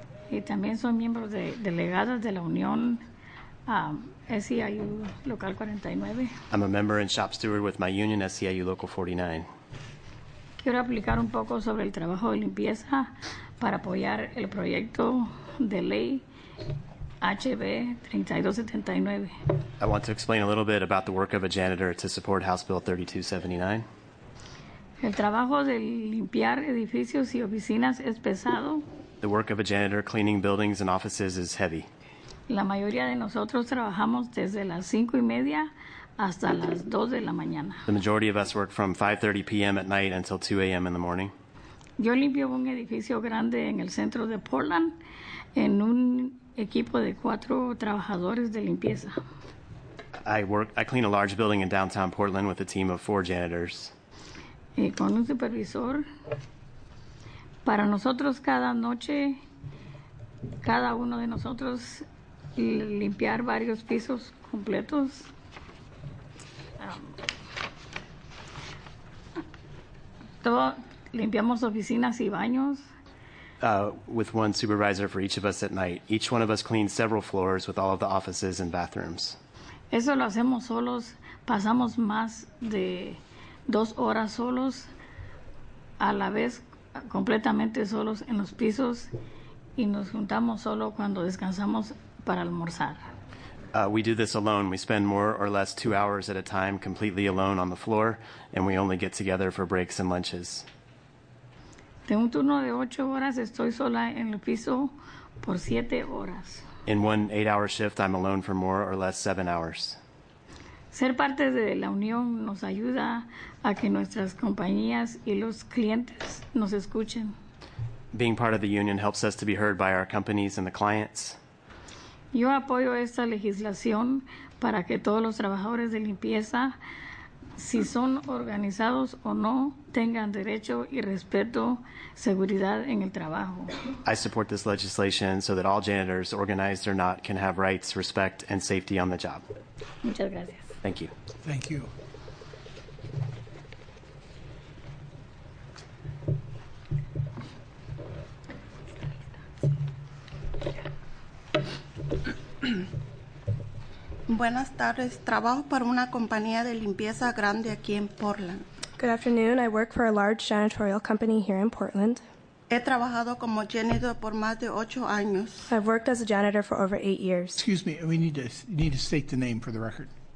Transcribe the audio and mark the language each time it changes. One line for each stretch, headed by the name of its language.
Spanish: Y también soy miembro de delegada de la Unión SEIU Local 49.
English: I'm a member and shop steward with my union, SEIU Local 49.
Spanish: Quiero aplicar un poco sobre el trabajo de limpieza para apoyar el proyecto de ley HB 3279.
English: I want to explain a little bit about the work of a janitor to support House Bill 3279.
Spanish: El trabajo de limpiar edificios y oficinas es pesado.
English: The work of a janitor cleaning buildings and offices is heavy.
Spanish: La mayoría de nosotros trabajamos desde las 5:30 hasta las 2 de la mañana.
English: The majority of us work from 5:30 p.m. at night until 2 a.m. in the morning.
Spanish: Yo limpio un edificio grande en el centro de Portland en un equipo de 4 trabajadores de limpieza.
English: I clean a large building in downtown Portland with a team of four janitors.
Spanish: Y con un supervisor. Para nosotros cada noche, cada uno de nosotros limpiar varios pisos completos. Todo limpiamos oficinas y baños.
English: With one supervisor for each of us at night. Each one of us cleans several floors with all of the offices and bathrooms.
Spanish: Eso lo hacemos solos. Pasamos más de dos horas solos a la vez, completamente solos en los pisos, y nos juntamos solo cuando descansamos para almorzar.
English: We do this alone. We spend more or less 2 hours at a time completely alone on the floor, and we only get together for breaks and lunches.
Spanish: De un turno de 8 horas, estoy sola en el piso por 7 horas.
English: In 1 8-hour shift, I'm alone for more or less 7 hours.
Spanish: Ser parte de la unión nos ayuda a que nuestras compañías y los clientes nos escuchen.
English: Being part of the union helps us to be heard by our companies and the clients.
Spanish: Yo apoyo esta legislación para que todos los trabajadores de limpieza, si son organizados o no, tengan derecho y respeto, seguridad en el trabajo.
English: I support this legislation so that all janitors, organized or not, can have rights, respect, and safety on the job.
Spanish: Muchas gracias.
English: Thank you. Thank you.
Spanish: Buenas tardes. Trabajo para una compañía de limpieza grande aquí en Portland.
English: Good afternoon. I work for a large janitorial company here in Portland.
Spanish: He trabajado como janitor por más de 8 años.
English: I've worked as a janitor for over 8 years. Excuse me. We need to state the name for the record.